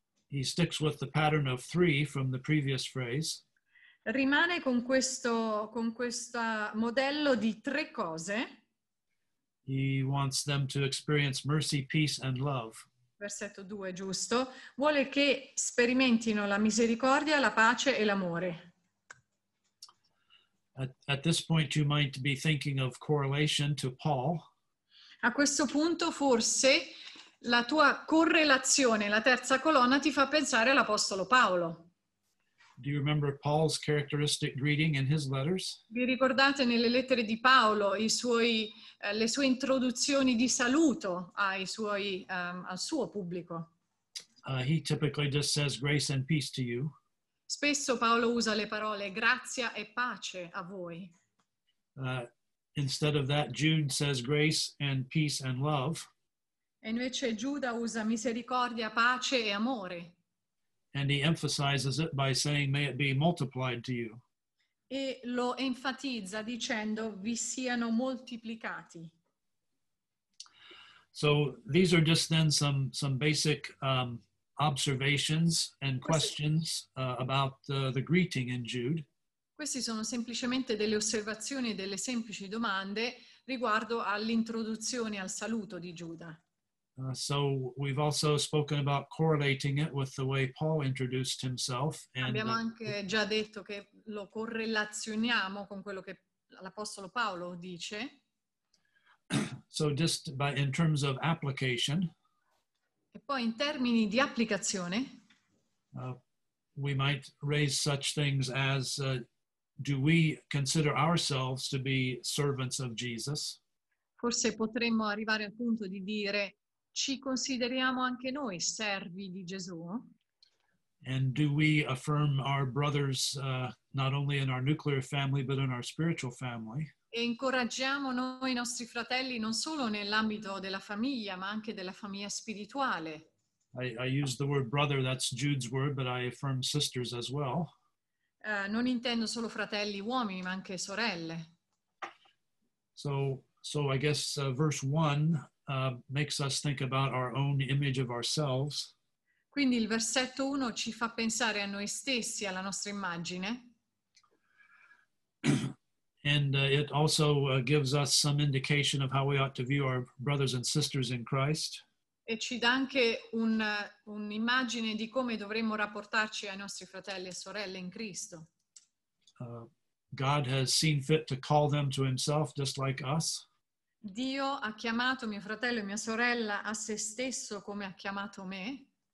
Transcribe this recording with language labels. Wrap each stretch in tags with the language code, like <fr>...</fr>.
<en>He sticks with the pattern of three from the previous phrase.</en> <it>Rimane con questo modello di tre cose.</it> <en>He wants them to experience mercy, peace and love.</en> <it>Versetto 2, giusto. Vuole che sperimentino la misericordia, la pace e l'amore.</it> <en>At this point you might be thinking of correlation to Paul.</en> <it>A questo punto forse la tua correlazione, la terza colonna, ti fa pensare all'Apostolo Paolo.</it> <en>Do you remember Paul's characteristic greeting in his letters?</en> <it>Vi ricordate nelle lettere di Paolo le sue introduzioni di saluto al suo pubblico?</it> <en>He typically just says grace and peace to you.</en> <it>Spesso Paolo usa le parole grazia e pace a voi.</it> <en>Instead of that, Jude says grace and peace and love.</en> <it>E invece Giuda usa misericordia, pace e amore.</it> <en>And he emphasizes it by saying, may it be multiplied to you.</en> <it>E lo enfatizza dicendo, vi siano moltiplicati.</it> <en>So these are just then some basic observations and questions about the greeting in Jude.</en> <it>Questi sono semplicemente delle osservazioni e delle semplici domande riguardo all'introduzione al saluto di Giuda.</it> <en>So we've also spoken about correlating it with the way Paul introduced himself.</en> <it>Abbiamo anche già detto che lo correlazioniamo con quello che l'Apostolo Paolo dice.</it> <en>So just by in terms of application.</en> <it>E poi in termini di applicazione.</it> <en>We might raise such things as, do we consider ourselves to be servants of Jesus?</en> <it>Forse potremmo arrivare al punto di dire, ci consideriamo anche noi servi di Gesù?</it> <en>And do we affirm our brothers not only in our nuclear family but in our spiritual family?</en> <it>E incoraggiamo noi i nostri fratelli non solo nell'ambito della famiglia ma anche della famiglia spirituale.</it> <en>I use the word brother, that's Jude's word, but I affirm sisters as well.</en> <it>Non intendo solo fratelli uomini ma anche sorelle.</it> <en>So I guess verse 1 makes us think about our own image of ourselves.</en> <it>Quindi il versetto 1 ci fa pensare a noi stessi, alla nostra immagine.</it> <en>And it also gives us some indication of how we ought to view our brothers and sisters in Christ.</en> <it>E ci dà anche un'immagine di come dovremmo rapportarci ai nostri fratelli e sorelle in Cristo.</it> <en>God has seen fit to call them to himself just like us.</en> <it>Dio ha chiamato mio fratello e mia sorella a se stesso come ha chiamato me.</it>